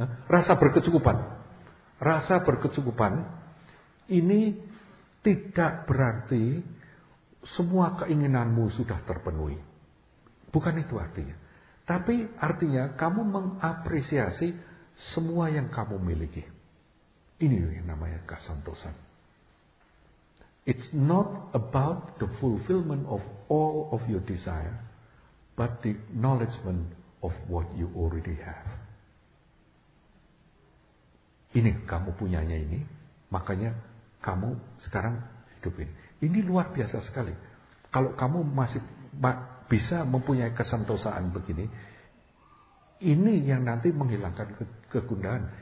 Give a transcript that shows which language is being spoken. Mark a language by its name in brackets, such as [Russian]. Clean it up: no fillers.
[Indonesian] Rasa berkecukupan. Rasa berkecukupan ini tidak berarti semua keinginanmu sudah terpenuhi. Bukan itu artinya. Tapi artinya kamu mengapresiasi semua yang kamu miliki. Ini yang namanya kesantosan. [English] It's not about the fulfillment of all of your desire, but the acknowledgement of what you already have. [Indonesian] Ini kamu punyanya ini, makanya kamu sekarang hidup ini. Ini luar biasa sekali. Kalau kamu masih bisa mempunyai kesantosaan begini, ini yang nanti menghilangkan kegundahan.